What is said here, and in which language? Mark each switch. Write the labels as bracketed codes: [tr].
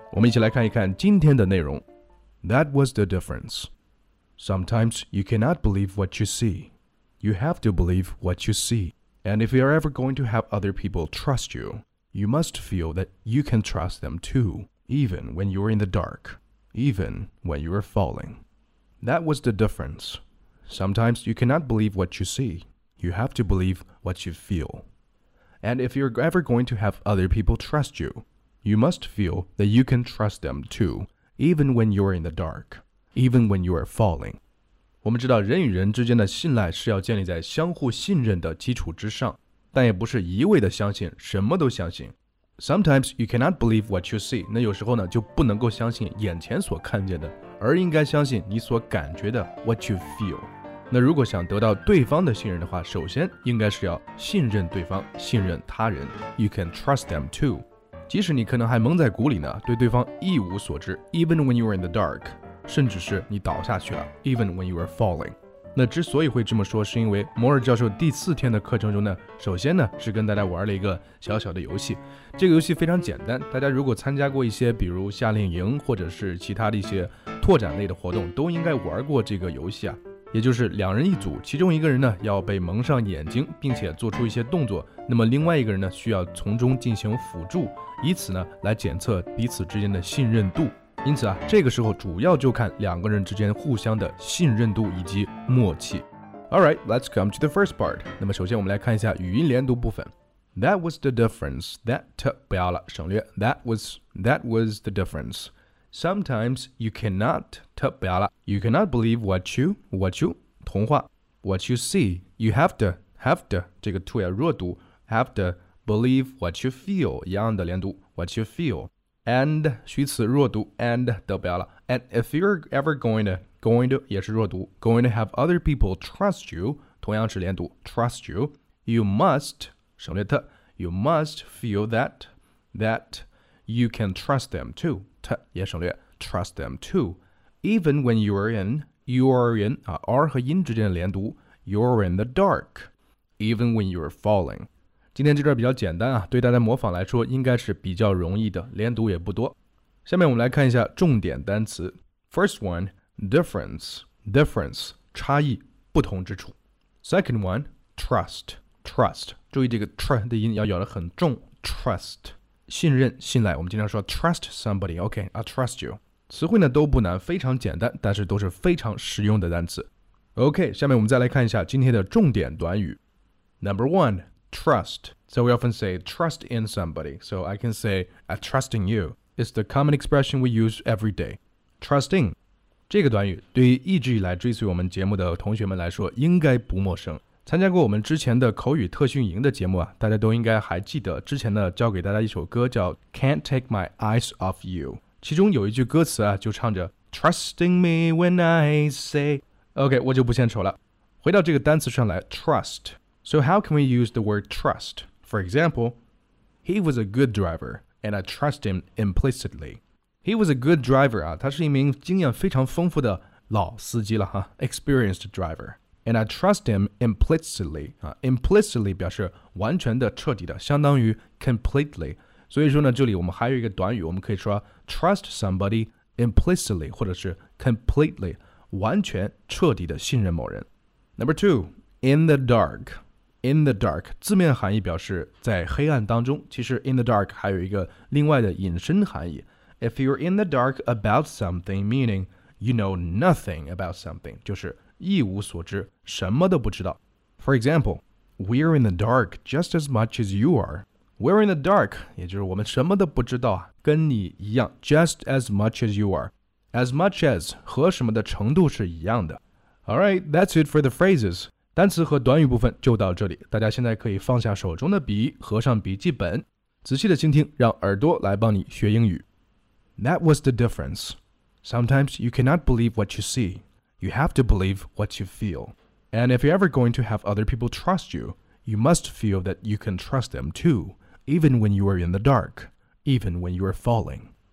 [zh] 我们一起来看一看今天的内容。 [en] That was the difference. Sometimes you cannot believe what you see. You have to believe what you see. And if you are ever going to have other people trust you, you must feel that you can trust them too, even when you are in the dark, even when you are falling. That was the difference. Sometimes you cannot believe what you see. You have to believe what you feel. And if you're ever going to have other people trust you, you must feel that you can trust them too, even when you're in the dark, even when you are falling. [zh] 我们知道人与人之间的信赖是要建立在相互信任的基础之上，但也不是一味的相信，什么都相信。 [en] Sometimes you cannot believe what you see. [zh] 那有时候呢，就不能够相信眼前所看见的，而应该相信你所感觉的 [en] what you feel. [zh] 那如果想得到对方的信任的话，首先应该是要信任对方，信任他人。 [en] You can trust them too. [zh] 即使你可能还蒙在鼓里呢，对对方一无所知。 [en] Even when you are in the dark. [zh] 甚至是你倒下去了。 [en] Even when you are falling. [zh] 那之所以会这么说，是因为摩尔教授第四天的课程中呢，首先呢是跟大家玩了一个小小的游戏。这个游戏非常简单，大家如果参加过一些比如夏令营或者是其他的一些拓展类的活动，都应该玩过这个游戏啊。也就是两人一组，其中一个人呢要被蒙上眼睛，并且做出一些动作，那么另外一个人呢需要从中进行辅助，以此呢来检测彼此之间的信任度。因此啊，这个时候主要就看两个人之间互相的信任度以及默契。 [en] All right, let's come to the first part. [zh] 那么首先我们来看一下语音连读部分。 [en] That was the difference. That [zh] 不要了，省略。 [en] That was the difference. Sometimes you cannot, [zh] 特不要了 [en] you cannot believe what you, [zh] 童话 [en] what you see, you have to, [zh] 这个 [en] to [zh] 要弱读 [en] have to believe what you feel, [zh] 一样的连读 [en] what you feel, and, [zh] 虚词弱读 and, 得不要了 [en] and if you're ever going to, [zh] 也是弱读 [en] going to have other people trust you, [zh] 同样是连读 [en] trust you, you must, [zh] 省略特 [en] you must feel that you can trust them too, [zh] 也省略 [en] trust them too even when you are in、 [zh] R 和音之间的连读 [en] you're in the dark even when you're falling [zh] 今天这段比较简单啊，对大家模仿来说应该是比较容易的，连读也不多。下面我们来看一下重点单词。 [en] First one, difference [zh] 差异，不同之处。 [en] Second one, trust [zh] 注意这个 tr 的音要咬得很重。 [en] trust [zh] 信任、信赖，我们经常说 [en] trust somebody, OK, I'll trust you. [zh] 词汇呢都不难，非常简单，但是都是非常实用的单词。 OK, 下面我们再来看一下今天的重点短语。 [en] Number one, trust. So we often say trust in somebody. So I can say I trust in you. It's the common expression we use every day. Trusting. [zh] 这个短语对于一直以来追随我们节目的同学们来说应该不陌生。参加过我们之前的口语特训营的节目啊，大家都应该还记得之前呢教给大家一首歌叫 [en] Can't Take My Eyes Off You， [zh] 其中有一句歌词啊就唱着 [en] Trusting me when I say， [zh] OK， 我就不献丑了。回到这个单词上来 trust， [en] So how can we use the word trust？ For example， He was a good driver and I trust him implicitly。 He was a good driver [zh] 啊，他是一名经验非常丰富的老司机了哈， [en] experienced driver。 And I trust him implicitly. Implicitly [zh] 表示完全的、彻底的，相当于 completely. 所以说呢，这里我们还有一个短语，我们可以说 [en] trust somebody implicitly [zh] 或者是 completely， 完全、彻底的信任某人。 [en] Number two, in the dark. In the dark [zh] 字面含义表示在黑暗当中，其实 in the dark 还有一个另外的隐身含义。 [en] If you're in the dark about something, meaning you know nothing about something, [zh] 就是一无所知，什么都不知道。 [en] For example, we're in the dark just as much as you are. We're in the dark, [zh] 也就是我们什么都不知道，跟你一样。 [en] Just as much as you are. As much as, [zh] 和什么的程度是一样的。 [en] Alright, that's it for the phrases. [zh] 单词和短语部分就到这里，大家现在可以放下手中的笔，合上笔记本，仔细的倾听，让耳朵来帮你学英语。 [en] That was the difference. Sometimes you cannot believe what you see. You have to believe what you feel. And if you're ever going to have other people trust you, you must feel that you can trust them too, even when you are in the dark, even when you are falling.